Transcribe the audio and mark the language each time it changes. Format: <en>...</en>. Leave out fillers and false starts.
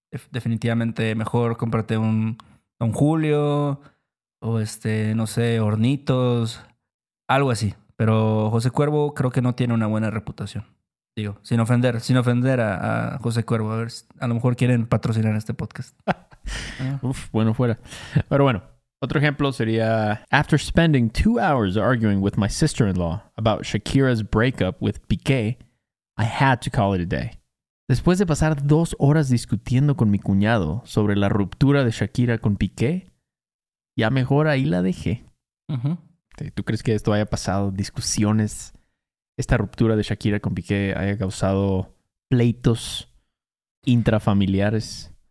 <es>Definitivamente mejor cómprate un Don Julio o no sé, Hornitos. Algo así. Pero José Cuervo creo que no tiene una buena reputación. Digo, sin ofender a José Cuervo. A ver, a lo mejor quieren patrocinar este podcast. Uf, bueno fuera. Pero bueno, otro ejemplo sería...</es> <en>After spending 2 hours arguing with my sister-in-law about Shakira's breakup with Piqué, I had to call it a day.</en> <es>Después de pasar 2 horas discutiendo con mi cuñado sobre la ruptura de Shakira con Piqué, ya mejor ahí la dejé. Uh-huh. ¿Tú crees que esto haya pasado? ¿Discusiones? ¿Esta ruptura de Shakira con Piqué haya causado pleitos intrafamiliares?</es>